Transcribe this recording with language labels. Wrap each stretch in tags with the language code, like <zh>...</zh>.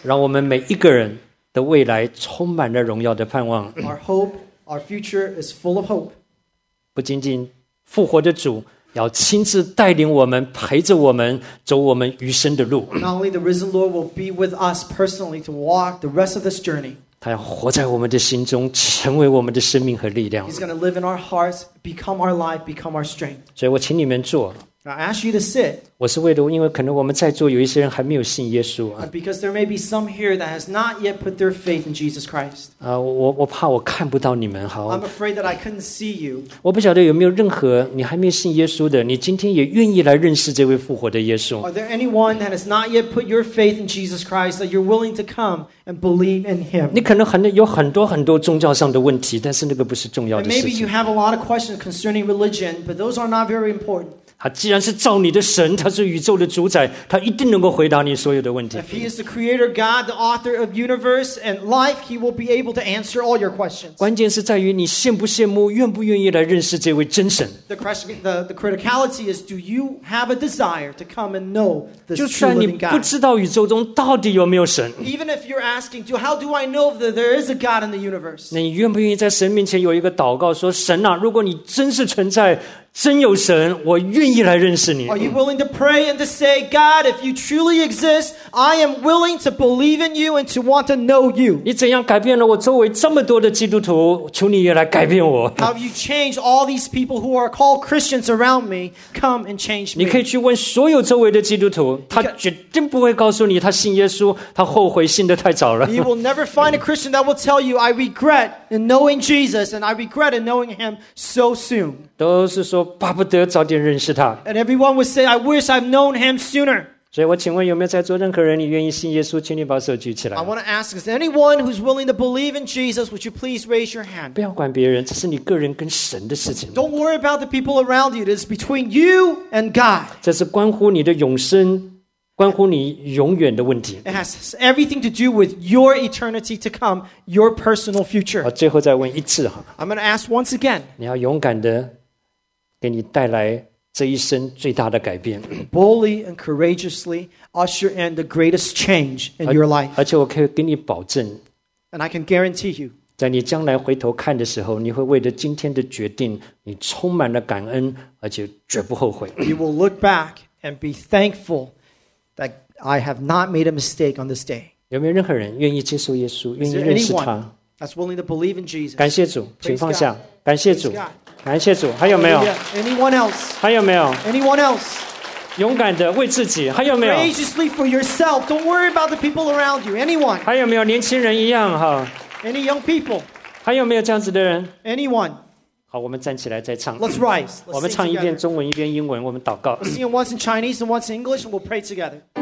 <zh>让我们每一个人的未来充满了荣耀的盼望。</zh> <en>Our hope, our future is full of hope.</en> <zh>不仅仅复活的主要亲自带领我们，陪着我们走我们余生的路。</zh> <en>Not only the risen Lord will be with us personally to walk the rest of this journey.</en> <zh>他要活在我们的心中，成为我们的生命和力量。</zh> <en>He's going to live in our hearts, become our life, become our strength.</en> <zh>所以我请你们坐。</zh> <en>I ask you to sit.</en> <zh>我是为了，因为可能我们在座有一些人还没有信耶稣啊。</zh> <en>Because there may be some here that has not yet put their faith in Jesus Christ.</en> <zh>我怕我看不到你们，好。</zh> <en>I'm afraid that I couldn't see you.</en> <zh>我不晓得有没有任何你还没有信耶稣的，你今天也愿意来认识这位复活的耶稣。</zh> <en>Are there anyone that has not yet put your faith in Jesus Christ that you're willing to come and believe in Him?</en> <zh>你可能有很多很多宗教上的问题，但是那个不是重要的事情。</zh> <en>And maybe you have a lot of questions concerning religion, but those are not very important.</en> <zh>他既然是造你的神，他是宇宙的主宰，他一定能够回答你所有的问题。</zh> <en>If he is the creator God, the author of universe and life, he will be able to answer all your questions.</en> <zh>关键是在于你羡不羡慕，愿不愿意来认识这位真神。</zh> <en>The criticality is, do you have a desire to come and know this true living God?</en> <zh>就算你不知道宇宙中到底有没有神。</zh> <en>Even if you're asking, how do I know that there is a God in the universe?</en> <zh>那你愿不愿意在神面前有一个祷告，说神啊，如果你真是存在。真有神，我愿意来认识你。</zh> <en>Are you willing to pray and to say, God, if you truly exist, I am willing to believe in you and to want to know you.</en> <zh>你怎样改变了我周围这么多的基督徒？求你也来改变我。</zh> <en>Have you changed all these people who are called Christians around me? Come and change me.</en> <zh>你可以去问所有周围的基督徒，他绝对不会告诉你他信耶稣，他后悔信得太早了。</zh> <en>You will never find a Christian that will tell you, I regret in knowing Jesus and I regret in knowing him so soon.</en> <zh>都是说巴不得早点认识他。</zh> <en>And everyone would say, I wish I've known him sooner.</en> <zh>所以我请问有没有在座任何人你愿意信耶稣，请你把手举起来。</zh> <en>I want to ask, is anyone who's willing to believe in Jesus, would you please raise your hand?</en> <zh>不要管别人，这是你个人跟神的事情。</zh> <en>Don't worry about the people around you, it is between you and God.</en> <zh>这是关乎你的永生，关乎你永远的问题。</zh> <en>It has everything to do with your eternity to come, your personal future.</en> <zh>最后再问一次哈。</zh> <en>I'm going to ask once again.</en> <zh>你要勇敢的给你带来这一生最大的改变。</zh> <en>Boldly and courageously usher in the greatest change in your life.</en> <zh>而且我可以给你保证。</zh> <en>And I can guarantee you.</en> <zh>在你将来回头看的时候，你会为着今天的决定，你充满了感恩，而且绝不后悔。</zh> <en>You will look back and be thankful that I have not made a mistake on this day.</en> <zh>有没有任何人愿意接受耶稣，愿意认识他？</zh> <en>That's willing to believe in Jesus.</en> <zh>感谢主，请放下。感谢主。感谢主，还有没有</zh> <en>？Anyone else？</en> <zh>还有没有</zh> <en>？Anyone else？</en> <zh>勇敢的为自己，还有没有</zh> <en>？Courageously for yourself. Don't worry about the people around you. Anyone？</en> <zh>还有没有年轻人一样哈</zh> <en>？Any young people？</en> <zh>还有没有这样子的人</zh> <en>？Anyone？</en> <zh>好，我们站起来再唱。</zh> <en>Let's rise.</en> <zh>我们唱一遍中文，一遍英文，我们祷告。</zh> <en>Let's sing once in Chinese and once in English, and we'll pray together.</en>